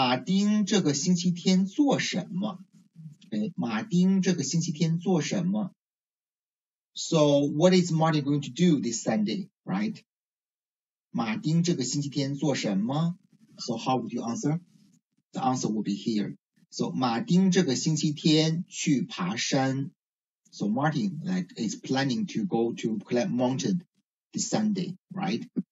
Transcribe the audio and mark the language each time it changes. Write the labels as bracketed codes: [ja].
[zh] 马丁这个星期天做什么? Okay, 马丁这个星期天做什么? [en] So what is Martin going to do this Sunday, right? [zh] 马丁这个星期天做什么? [en] So how would you answer? The answer will be here. [zh] So 马丁这个星期天去爬山. [en] So Martin like is planning to go to climb mountain this Sunday, right?